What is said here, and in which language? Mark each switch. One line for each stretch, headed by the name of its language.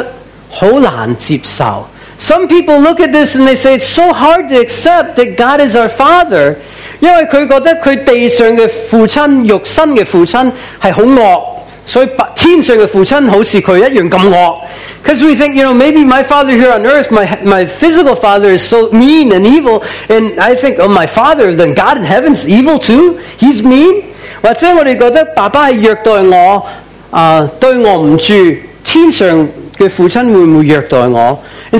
Chinese: 那有些人我们看到这个，看到神是我们的父亲，觉得很难接受。
English: Some people look at this and they say it's so hard to accept that God is our Father.
Chinese: 因为他觉得他地上的父亲，肉身的父亲是很恶。
English: Because we think, you know, maybe my father here on earth, my physical father is so mean and evil, and I think, oh, my father, then God in heaven's evil too? He's mean? And